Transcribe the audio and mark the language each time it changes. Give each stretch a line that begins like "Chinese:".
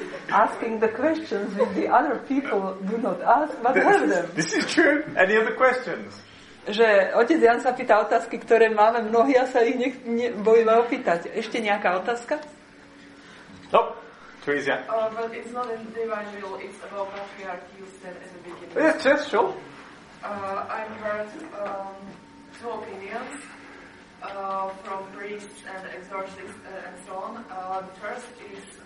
English: Asking the questions which the other people do not ask, but this have them. This is true. Any other questions?
Slovak: Že otec Jan sa pýta otázky, ktoré máme mnohí a sa ich nebojíme opýtať. Ešte nejaká otázka? No, Teresia.
English: But it's not in divine will, it's about patriarchy you said at the beginning. Yes, sure. I've heard two opinions from priests and exorcists and so on. The first is...